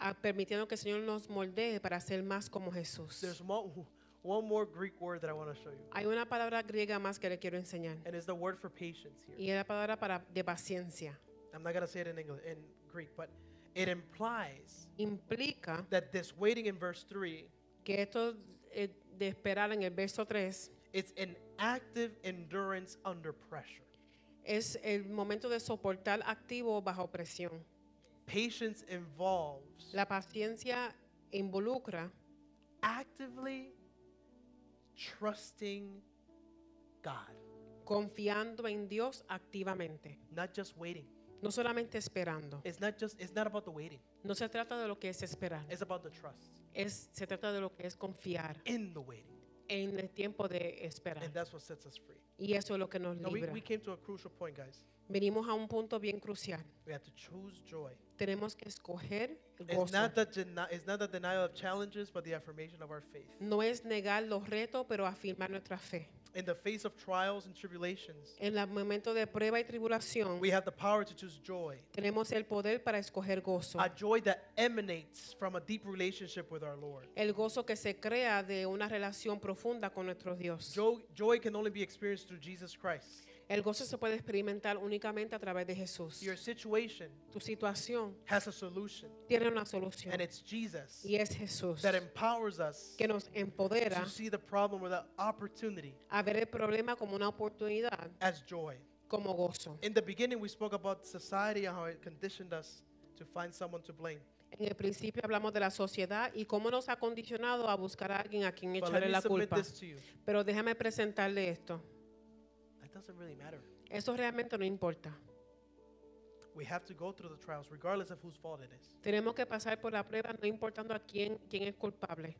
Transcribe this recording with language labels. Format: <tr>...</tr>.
<es>Permitiendo que el Señor nos moldee para ser más como Jesús.</es> <en>There's one more Greek word that I want to show you.</en> <es>Hay una palabra griega más que le quiero enseñar.</es> <en>And it's the word for patience here.</en> <es>Y es la palabra para de paciencia.</es> <en>I'm not going to say it in English, in Greek, but it implies</en> <es>implica</es> <en>that this waiting in verse 3,</en> <es>que esto de esperar en el verso 3,</es> <en>it's an active endurance under pressure.</en> <es>Es el momento de soportar activo bajo presión.</es> <en>Patience involves</en> <es>la paciencia involucra</es> <en>actively trusting God.</en> <es>Confiando en Dios activamente.</es> <en>Not just waiting.</en> <es>No solamente esperando.</es> <en>It's not just, it's not about the waiting.</en> <es>No se trata de lo que es esperar.</es> <en>It's about the trust.</en> <es>Es, se trata de lo que es confiar.</es> <en>In the waiting.</en> <es>En el tiempo de esperar.</es> <en>And that's what sets us free.</en> <es>Y eso es lo que nos libra.</es> <en>We came to a crucial point, guys.</en> <es>Venimos a un punto bien crucial.</es> <en>We have to choose joy.</en> <es>Tenemos que escoger el gozo.</es> <en>It's not the denial of challenges, but the affirmation of our faith.</en> <es>No es negar los retos, pero afirmar nuestra fe.</es> <en>In the face of trials and tribulations,</en> <es>en el momento de prueba y tribulación,</es> <en>we have the power to choose joy.</en> <es>Tenemos el poder para escoger gozo.</es> <en>A joy that emanates from a deep relationship with our Lord.</en> <es>El gozo que se crea de una relación profunda con nuestro Dios.</es> <en>Joy can only be experienced through Jesus Christ.</en> <es>El gozo se puede experimentar únicamente a través de Jesús.</es> <en>Your situation,</en> <es>tu situación,</es> <en>has a solution.</en> <es>Tiene una solución.</es> <en>And it's Jesus.</en> <es>Y es Jesús.</es> <en>That empowers us.</en> <es>Que nos empodera.</es> <en>To see the problem or the opportunity.</en> <es>A ver el problema como una oportunidad.</es> <en>As joy.</en> <es>Como gozo.</es> <en>In the beginning we spoke about society and how it conditioned us to find someone to blame.</en> <es>En el principio hablamos de la sociedad y cómo nos ha condicionado a buscar a alguien a quien</es> <en>but</en> <es>echarle la culpa.</es> <en>Let me submit this to you.</en> <es>Pero déjame presentarle esto.</es> <en>Doesn't really matter.</en> <es>Eso realmente no importa.</es> <en>We have to go through the trials regardless of whose fault it is.</en> <es>Tenemos que pasar por la prueba no importando a quién es culpable.</es>